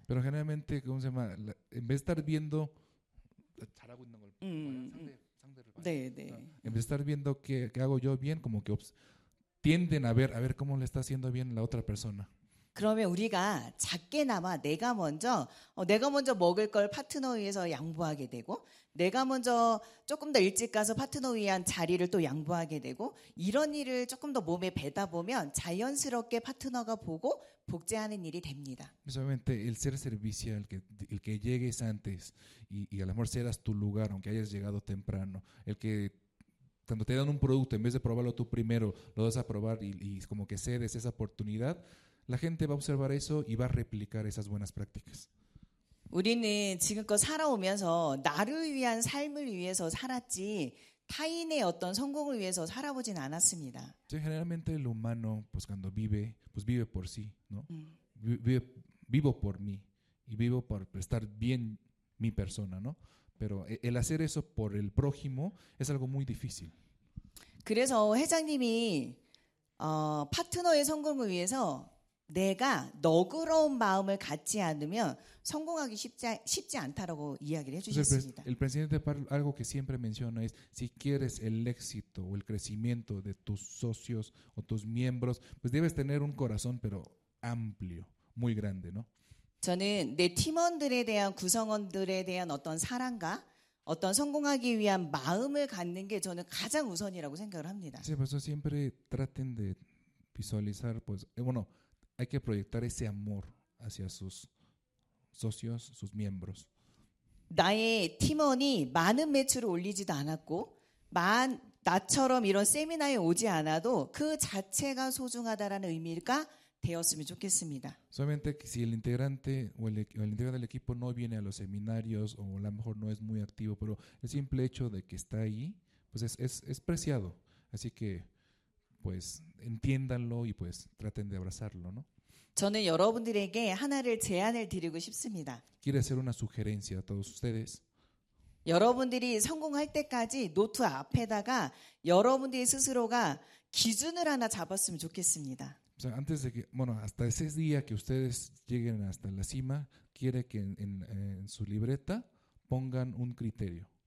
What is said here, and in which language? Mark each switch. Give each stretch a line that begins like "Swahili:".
Spanish: Pero generalmente cómo se llama, en vez de estar viendo
Korean: 잘하고 있는 걸 상대를
Spanish: en vez de estar viendo qué hago yo bien, como que tienden a ver cómo le está haciendo bien la otra persona.
Korean: 그러면 우리가 작게나마 내가 먼저 내가 먼저 먹을 걸 파트너 위해서 양보하게 되고 내가 먼저 조금 더 일찍 가서 파트너 위한 자리를 또 양보하게 되고 이런 일을 조금 더 몸에 배다 보면 자연스럽게 파트너가 보고 복제하는 일이 됩니다.
Spanish: Precisamente el ser servicial el que llegues antes y a lo mejor cedas tu lugar aunque hayas llegado temprano, el que cuando te dan un producto en vez de probarlo tú primero lo das a probar y como que cedes esa oportunidad La gente va a observar eso y va a replicar esas buenas prácticas.
Korean: 우리는 지금껏 살아오면서 나를 위한 삶을 위해서 살았지 타인의 어떤 성공을 위해서 살아보진 않았습니다.
Spanish: Generalmente el humano pues cuando vive pues vive por sí, ¿no? Vivo por mí y vivo por prestar bien mi persona, ¿no? Pero el hacer eso por el prójimo es algo muy difícil.
Korean: 그래서 회장님이 파트너의 성공을 위해서 내가 너그러운 마음을 갖지 않으면 성공하기 쉽지 않다라고 이야기를 해주셨습니다.
Spanish: El presidente Pablo algo que siempre menciona es si quieres el éxito o el crecimiento de tus socios o tus miembros, pues debes tener un corazón pero amplio, muy grande, ¿no?
Korean: 저는 내 팀원들에 대한 구성원들에 대한 어떤 사랑과 어떤 성공하기 위한 마음을 갖는 게 저는 가장 우선이라고 생각을 합니다.
Spanish: Sí, pues siempre traten de visualizar, pues bueno, hay que proyectar ese amor hacia sus socios, sus miembros.
Korean: 나의 팀원이 많은 매출을 올리지도 않았고, 나처럼 이런 세미나에 오지 않아도 그 자체가 소중하다라는 의미가 되었으면 좋겠습니다.
Spanish: Solamente que si el integrante o el integrante del equipo no viene a los seminarios o a lo mejor no es muy activo, pero el simple hecho de que está ahí, pues es preciado. Así que pues entiéndanlo y pues traten de abrazarlo, ¿no?
Korean: 저는 여러분들에게 하나를 제안을 드리고 싶습니다.
Spanish: Quiero hacer una sugerencia a todos ustedes.
Korean: 여러분들이 성공할 때까지 노트 앞에다가 여러분들이 스스로가 기준을 하나 잡았으면 좋겠습니다.
Spanish: O sea, antes de que, bueno, hasta ese día que ustedes lleguen hasta la cima, quiere que en su libreta pongan un criterio.